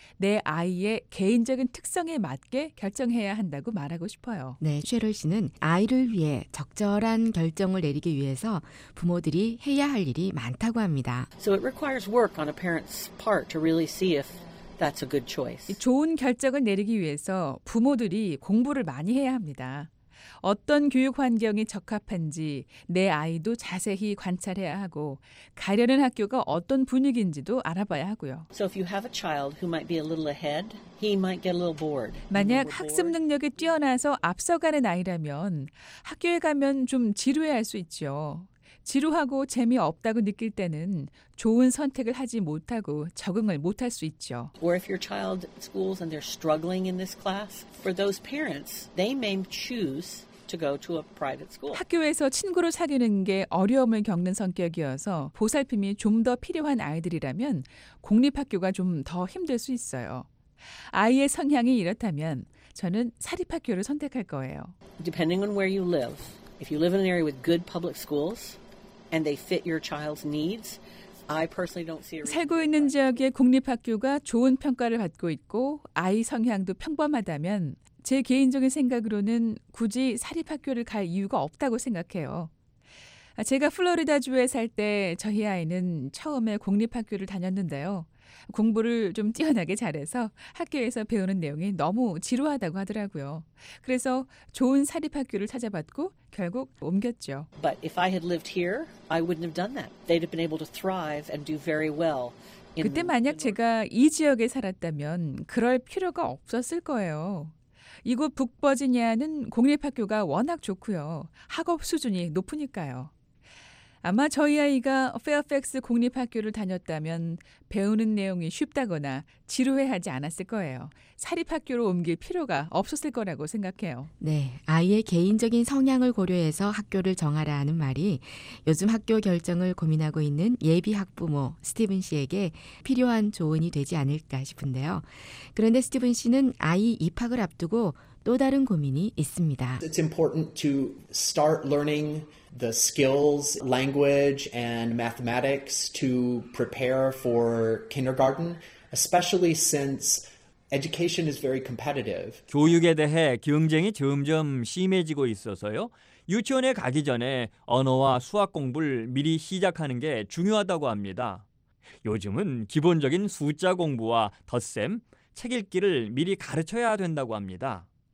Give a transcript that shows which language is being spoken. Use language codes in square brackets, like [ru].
[ko] 내 아이의 개인적인 특성에 맞게 결정해야 한다고 말하고 싶어요. 네, 쉐럴 씨는 아이를 위해 적절한 결정을 내리기 위해서 부모들이 해야 할 일이 많다고 합니다. [en] So it requires work on a parent's part to really see if that's a good choice. [ko] 좋은 결정을 내리기 위해서 부모들이 공부를 많이 해야 합니다. 어떤 교육 환경이 적합한지 내 아이도 자세히 관찰해야 하고 가려는 학교가 어떤 분위기인지도 알아봐야 하고요. [en] So if you have a child who might be a little ahead, he might get a little bored. [ko] 만약 학습 능력이 뛰어나서 앞서가는 아이라면 학교에 가면 좀 지루해할 수 있죠. 지루하고 재미없다고 느낄 때는 좋은 선택을 하지 못하고 적응을 못할 수 있죠. [en] Or if your child schools and they're struggling in this class, for those parents, they may choose to go to a private school. [ko] 학교에서 친구를 사귀는 게 어려움을 겪는 성격이어서 보살핌이 좀 더 필요한 아이들이라면 공립학교가 좀 더 힘들 수 있어요. 아이의 성향이 이렇다면 저는 사립학교를 선택할 거예요. [en] Depending on where you live, if you live in an area with good public schools and they fit your child's needs, I personally don't see a reason. [ko] 살고 있는 지역의 공립학교가 좋은 평가를 받고 있고 아이 성향도 평범하다면 제 개인적인 생각으로는 굳이 사립학교를 갈 이유가 없다고 생각해요. 제가 플로리다주에 살 때 저희 아이는 처음에 공립학교를 다녔는데요. 공부를 좀 뛰어나게 잘해서 학교에서 배우는 내용이 너무 지루하다고 하더라고요. 그래서 좋은 사립학교를 찾아봤고 결국 옮겼죠. [en] But if I had lived here, I wouldn't have done that. They'd have been able to thrive and do very well. [ko] 그때 만약 제가 이 지역에 살았다면 그럴 필요가 없었을 거예요. 이곳 북버지니아는 공립학교가 워낙 좋고요. 학업 수준이 높으니까요. 아마 저희 아이가 페어팩스 공립학교를 다녔다면 배우는 내용이 쉽다거나 지루해하지 않았을 거예요. 사립학교로 옮길 필요가 없었을 거라고 생각해요. 네, 아이의 개인적인 성향을 고려해서 학교를 정하라 하는 말이 요즘 학교 결정을 고민하고 있는 예비 학부모 스티븐 씨에게 필요한 조언이 되지 않을까 싶은데요. 그런데 스티븐 씨는 아이 입학을 앞두고 또 다른 고민이 있습니다. [en] It's important to start learning the skills, language and mathematics to prepare for kindergarten, especially since education is very competitive. [ko] 교육에 대해 경쟁이 점점 심해지고 있어서요. 유치원에 가기 전에 언어와 수학 공부를 미리 시작하는 게 중요하다고 합니다. 요즘은 기본적인 숫자 공부와 덧셈, 책 읽기를 미리 가르쳐야 된다고 합니다.